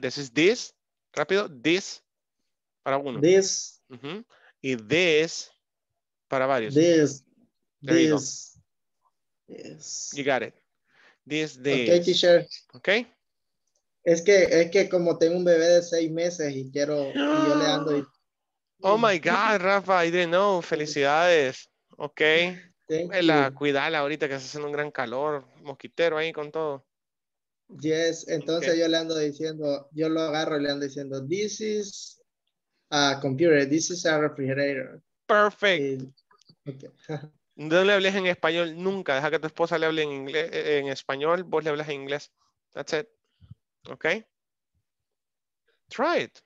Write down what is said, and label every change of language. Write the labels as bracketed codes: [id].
[en] This is this, rápido, this [es] para uno. [en] This. [es] Uh-huh. Y this para varios. [en] This. There this. You go. Yes. You got it. This, this. Ok, teacher. Ok. [es] Es que como tengo un bebé de 6 meses y quiero... Y yo le ando y... [en] Oh my God, Rafa, I didn't know. [es] Felicidades. [en] Okay. [es] Vela, cuídala ahorita que está haciendo un gran calor, mosquitero ahí con todo. Yes, entonces okay. Yo le ando diciendo, yo lo agarro y le ando diciendo, [en] this is a computer, this is a refrigerator. Perfect. [es] Y, okay. No le hables en español nunca, deja que tu esposa le hable en inglés, en español, vos le hablas en inglés. [en] That's it. Okay. Try it.